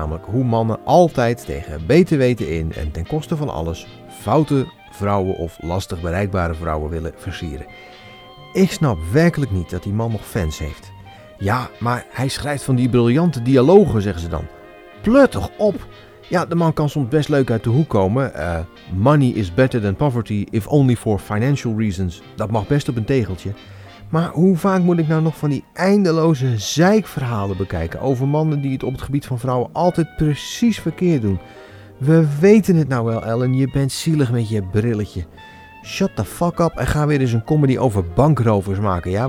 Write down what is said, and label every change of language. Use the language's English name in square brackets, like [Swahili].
[Dutch] Namelijk hoe mannen altijd tegen beter weten in en ten koste van alles foute vrouwen of lastig bereikbare vrouwen willen versieren. Ik snap werkelijk niet dat die man nog fans heeft. Ja, maar hij schrijft van die briljante dialogen, zeggen ze dan. Plut toch op! Ja, de man kan soms best leuk uit de hoek komen. [English] Money is better than poverty, if only for financial reasons. [Dutch] Dat mag best op een tegeltje. Maar hoe vaak moet ik nou nog van die eindeloze zeikverhalen bekijken over mannen die het op het gebied van vrouwen altijd precies verkeerd doen? We weten het nou wel, Ellen. Je bent zielig met je brilletje. [English] Shut the fuck up [Dutch] en ga weer eens een comedy over bankrovers maken, ja?